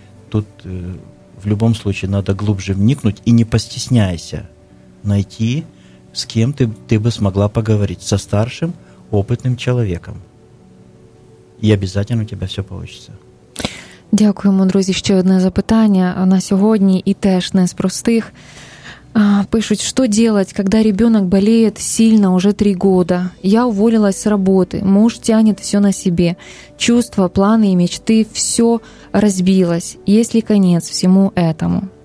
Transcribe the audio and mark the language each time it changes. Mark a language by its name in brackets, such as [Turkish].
[Russian] Тут в любом случае надо глубже вникнуть и не постесняйся найти, с кем ты бы смогла поговорить, со старшим, опытным человеком. И обязательно у тебя все получится. [Ukrainian] Дякуємо, друзі. Ще одне запитання на сьогодні і теж не з простих. [Russian] Пишуть, что делать, когда ребенок болеет сильно уже 3 года. Я уволилась с работы, муж тянет все на себе. Чувства, планы и мечты, все разбилось. Есть ли конец всему этому?